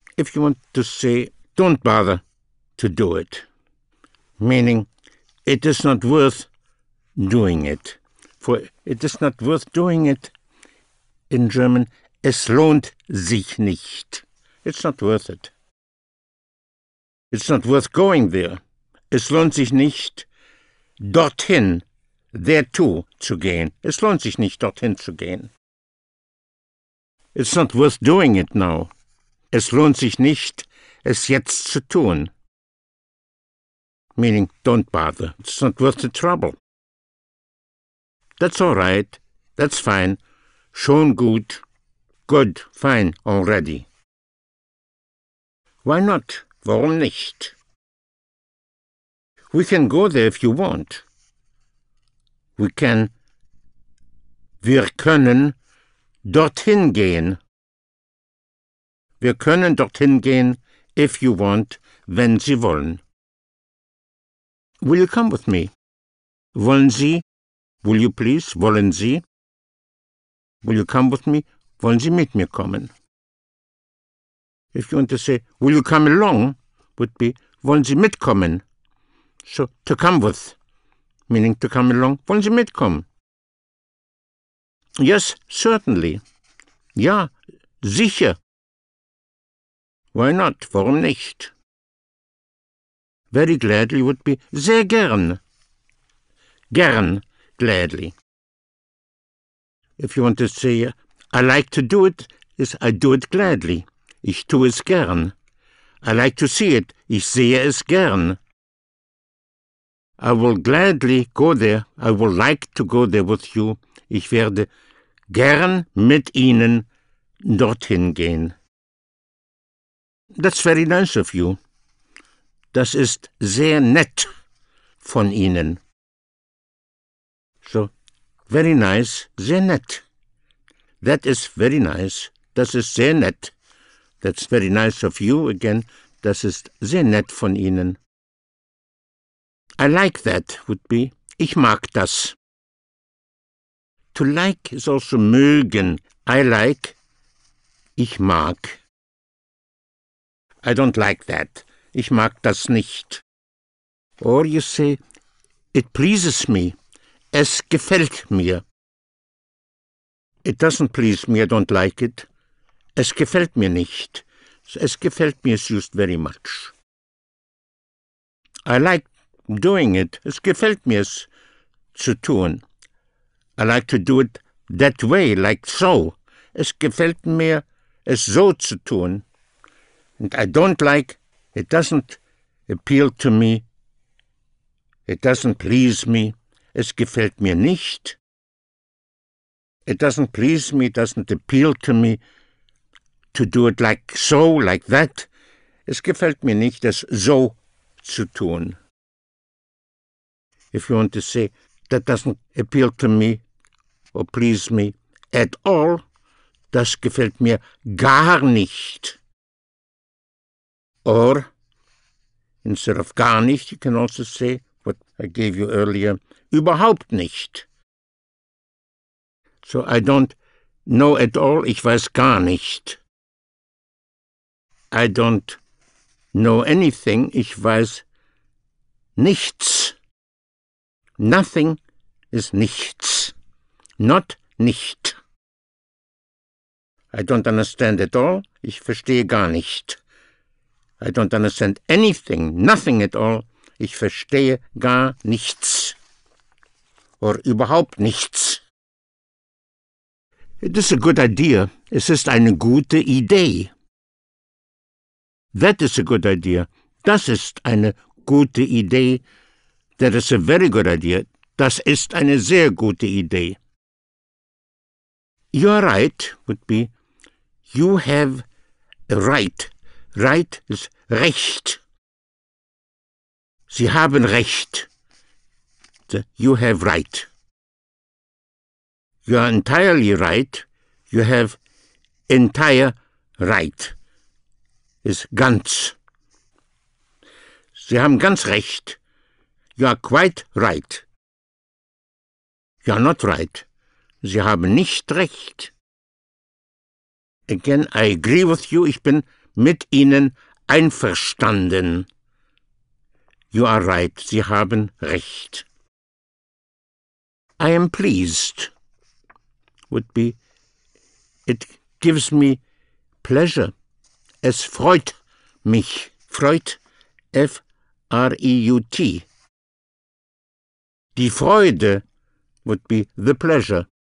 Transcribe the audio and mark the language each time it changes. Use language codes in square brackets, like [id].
[en] if you want to say, don't bother to do it. Meaning, it is not worth doing it. For it is not worth doing it. In German, [de] es lohnt sich nicht. [en] It's not worth it. It's not worth going there. [de] Es lohnt sich nicht, dorthin, [en] thereto, [de] zu gehen. Es lohnt sich nicht, dorthin zu gehen. [en] It's not worth doing it now. [de] Es lohnt sich nicht, es jetzt zu tun. [en] Meaning, don't bother. It's not worth the trouble. That's all right. That's fine. [de] Schon gut. [en] Good. Fine. Already. Why not? [de] Warum nicht? [en] We can go there if you want. We can. [de] Wir können dorthin gehen. Wir können dorthin gehen, [en] if you want, [de] wenn Sie wollen. [en] Will you come with me? [de] Wollen Sie? [en] Will you please? Wollen Sie? Will you come with me? [de] Wollen Sie mit mir kommen? [en] If you want to say, will you come along? Would be, [de] wollen Sie mitkommen? [en] So, to come with, meaning to come along, [de] wollen Sie mitkommen? [en] Yes, certainly. [de] Ja, sicher. [en] Why not? [de] Warum nicht? [en] Very gladly would be, [de] sehr gern. Gern, [en] gladly. If you want to say, I like to do it, is I do it gladly. [de] Ich tue es gern. [en] I like to see it. [de] Ich sehe es gern. [en] I will gladly go there. I would like to go there with you. [de] Ich werde gern mit Ihnen dorthin gehen. [en] That's very nice of you. [de] Das ist sehr nett von Ihnen. [en] So, very nice, [de] sehr nett. [en] That is very nice. [de] Das ist sehr nett. [en] That's very nice of you again. [de] Das ist sehr nett von Ihnen. [en] I like that would be, [de] ich mag das. [en] To like is also mögen. I like, [de] ich mag. [en] I don't like that. [de] Ich mag das nicht. [en] Or you say, it pleases me. [de] Es gefällt mir. [en] It doesn't please me. I don't like it. [de] Es gefällt mir nicht. [en] So, [de] es gefällt mir [en] is used very much. I like doing it. [de] Es gefällt mir es zu tun. [en] I like to do it that way, like so. [de] Es gefällt mir es so zu tun. [en] And I don't like, it doesn't appeal to me. It doesn't please me. [de] Es gefällt mir nicht. [en] It doesn't please me, doesn't appeal to me. To do it like so, like that. [de] Es gefällt mir nicht, es so zu tun. [en] If you want to say, that doesn't appeal to me or please me at all, [de] das gefällt mir gar nicht. [en] Or, instead of [de] gar nicht, [en] you can also say, what I gave you earlier, [de] überhaupt nicht. [en] So I don't know at all, [de] ich weiß gar nicht. [en] I don't know anything, [de] ich weiß nichts. [en] Nothing is nichts, not nicht. I don't understand at all, [de] ich verstehe gar nicht. [en] I don't understand anything, nothing at all. [de] Ich verstehe gar nichts. Or überhaupt nichts. [en] It is a good idea. [de] Es ist eine gute Idee. [en] That is a good idea. [de] Das ist eine gute Idee. [en] That is a very good idea. [de] Das ist eine sehr gute Idee. [en] You are right, would be, you have a right. Right is Recht. [de] Sie haben Recht. [en] You have right. You are entirely right. You have entire right. Is ganz. [de] Sie haben ganz Recht. [en] You are quite right. You are not right. [de] Sie haben nicht Recht. [en] Again, I agree with you. [de] Ich bin mit Ihnen einverstanden. [en] You are right, [de] Sie haben recht. [en] I am pleased would be, it gives me pleasure. [de] Es freut mich. Freut, [en] F-R-E-U-T. [de] Die Freude [en] would be the pleasure.